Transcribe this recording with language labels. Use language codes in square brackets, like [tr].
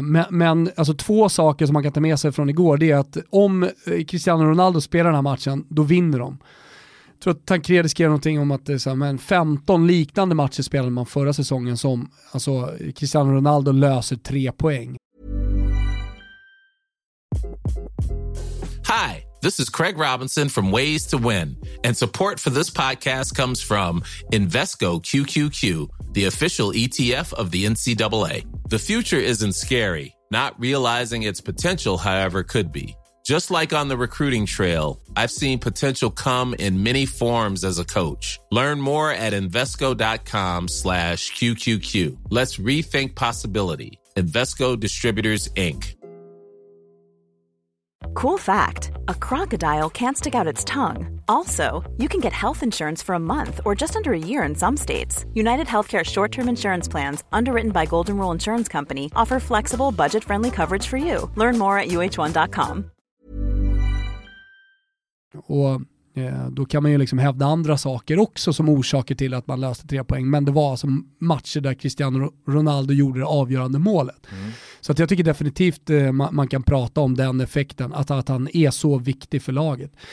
[sv] Men alltså två saker som man kan ta med sig från igår, det är att om Cristiano Ronaldo spelar den här matchen, då vinner de. Jag tror att Tancredi skrev någonting om att det är så här, men 15 liknande matcher spelade man förra säsongen som alltså, Cristiano Ronaldo löser 3 poäng. [en] Hi, this is Craig Robinson from Ways to Win, and support for this podcast comes from Invesco QQQ, the official ETF of the NCAA. The future isn't scary, not realizing its potential, however, could be. Just like on the recruiting trail, I've seen potential come in many forms as a coach. Learn more at Invesco.com/QQQ. Let's rethink possibility. Invesco Distributors, Inc. Cool fact, a crocodile can't stick out its tongue. Also, you can get health insurance for a month or just under a year in some states. United Healthcare short-term insurance plans, underwritten by Golden Rule Insurance Company, offer flexible, budget-friendly coverage for you. Learn more at uh1.com. [sv] Och då kan man ju liksom hävda andra saker också som orsaker till att man löste 3 poäng. Men det var alltså matcher där Cristiano Ronaldo gjorde det avgörande målet. Så att jag tycker definitivt man kan prata om den effekten, att han är så viktig för laget.